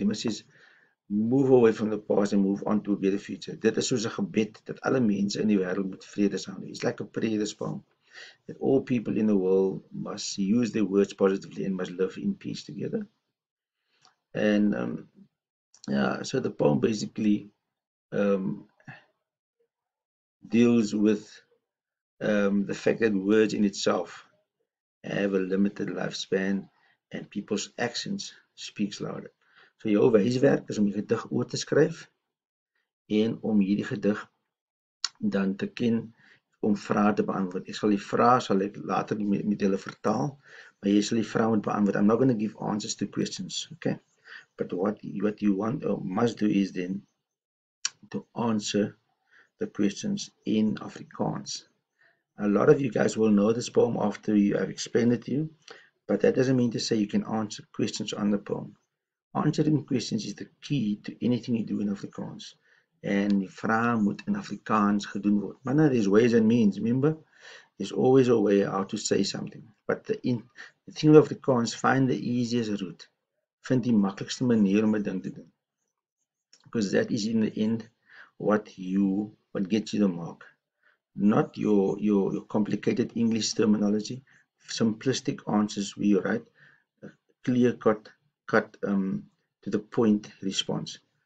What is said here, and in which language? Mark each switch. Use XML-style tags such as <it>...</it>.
<en>He says, move away from the past and move on to a better future.</en> <af>Dit is soos 'n gebed dat alle mense in die wêreld moet vrede saam.</af> <en>It's like a prayer this poem. That all people in the world must use their words positively and must live in peace together. And so the poem basically deals with the fact that words in itself have a limited lifespan and people's actions speaks louder.</en> <af>So jou wyswerk is om die gedig oor te skryf en om hierdie gedig dan te ken om vrae te beantwoord. Jy sal die vrae sal ek later met julle vertaal, maar jy sal die vrae moet beantwoord.</af> <en>I'm not going to give answers to questions, okay? But what you want or must do is then to answer the questions in Afrikaans. A lot of you guys will know this poem after you have explained it to you, but that doesn't mean to say you can answer questions on the poem. Answering questions is the key to anything you do in Afrikaans. And</en> <af>die vraag moet in Afrikaans gedoen word.</af> <en>But now there's ways and means, remember? There's always a way how to say something. But the thing with Afrikaans, find the easiest route.</en> <af>Vind die makkelijkste manier om 'n ding te doen.</af> <en>Because that is in the end what gets you the mark. Not your complicated English terminology. Simplistic answers where you write a clear cut to the point response.</en>